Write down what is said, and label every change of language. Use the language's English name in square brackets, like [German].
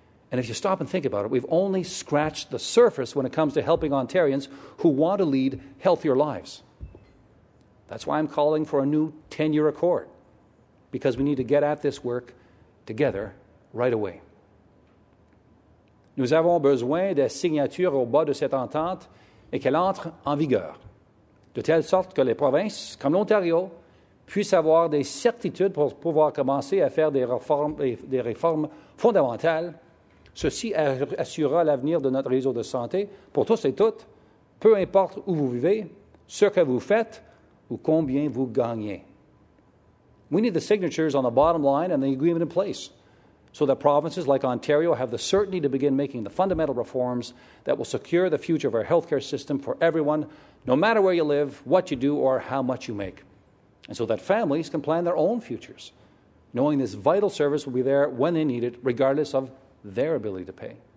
[English] And if you stop and think about it, we've only scratched the surface when it comes to helping Ontarians who want to lead healthier lives. That's why I'm calling for a new 10-year accord, because we need to get at this work together right away. [French] Nous avons besoin des signatures au bas de cette entente et qu'elle entre en vigueur, de telle sorte que les provinces, comme l'Ontario, puissent avoir des certitudes pour pouvoir commencer à faire des réformes fondamentales. Ceci assurera l'avenir de notre réseau de santé pour tous et toutes, peu importe où vous vivez, ce que vous faites ou combien vous gagnez. [English] We need the signatures on the bottom line and the agreement in place so that provinces like Ontario have the certainty to begin making the fundamental reforms that will secure the future of our healthcare system for everyone, no matter where you live, what you do, or how much you make, and so that families can plan their own futures, knowing this vital service will be there when they need it, regardless of their ability to pay.